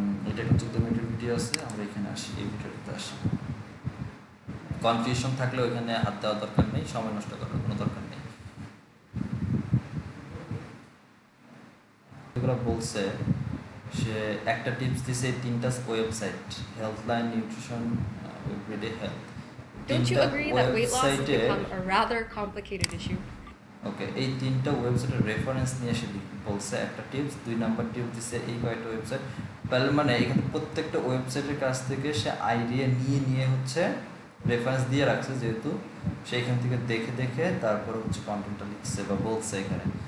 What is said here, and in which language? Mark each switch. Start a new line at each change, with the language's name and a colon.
Bangla: এটা 14 মিনিটের ভিডিও আছে, আমরা এখানে আসি, এই ভিডিওটাতে আসি। কনফিউশন থাকলে ওইখানে হাত দেওয়ার দরকার নেই, সময় নষ্ট করার কোনো দরকার নেই। এগুলো বলছে সে, একটা টিপস দিছে, তিনটা website, health line, nutrition, everyday health.
English: Don't you agree that weight loss has become a rather complicated issue?
Bangla: Okay, এই তিনটা ওয়েবসাইটের রেফারেন্স নিয়ে সে বলছে, একটা টিপস, দুই নাম্বার টিপস দিছে এই কয়েকটা ওয়েবসাইট। তার মানে এখানে প্রত্যেকটা ওয়েবসাইটের কাছ থেকে সে আইডিয়া নিয়ে নিয়ে হচ্ছে রেফারেন্স দিয়ে রাখছে, যেহেতু সেইখান থেকে দেখে দেখে তারপরে হচ্ছে কন্টেন্টটা লিখছে বা বলছে এখানে।